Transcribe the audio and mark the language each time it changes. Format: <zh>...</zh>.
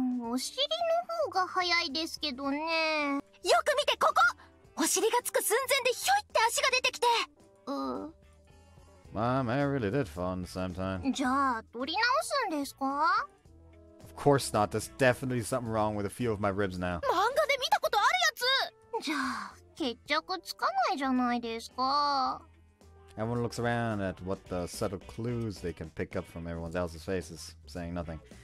<ja>お尻の方が早いですけどね。よく見て、ここ、お尻がつく寸前でひょいって足が出てきて。</ja> <en>Mom, I really did fall in the same time.</en> <ja>じゃあ撮り直すんですか？</ja> <en>Of course not. There's definitely something wrong with a few of my ribs now.</en> <ja>漫画で見たことあるやつ。じゃあ決着つかないじゃないですか。</ja> <en>Everyone looks around at what the subtle clues they can pick up from everyone else's faces, saying nothing.</en>